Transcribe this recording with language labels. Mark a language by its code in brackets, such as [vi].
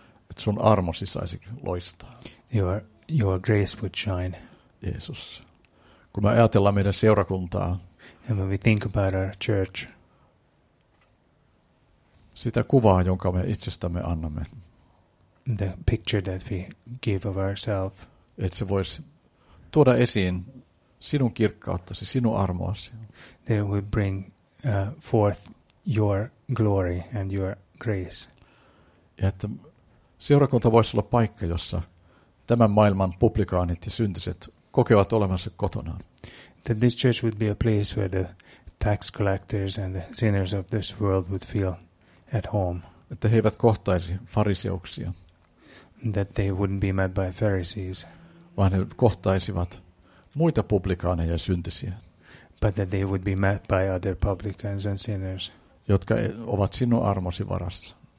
[fi] Et sun armosi saisi loistaa. [en] Your grace would shine. [fi] Jeesus. Kun me ajatellaan meidän seurakuntaa. [en] And when we think about our church. [fi] Sitä kuvaa, jonka me itsestämme annamme. [en] The picture that we give of ourselves. [fi] Että se voisi tuoda esiin sinun kirkkauttasi, sinun armoasi. [en] They will bring forth your glory and your grace. [fi] Ja että seurakunta voisi olla paikka, jossa tämän maailman publikaanit ja syntiset kokevat olevansa kotonaan. [en] That this church would be a place where the tax collectors and the sinners of this world would feel at home. [fi] Että he eivät kohtaisi fariseuksia. [en] That they wouldn't be met by Pharisees. [fi] Vaan he kohtaisivat muita publikaaneja ja syntisiä. [en] But that they would be met by other publicans and sinners. [fi] Jotka ovat sinun armosi varassa.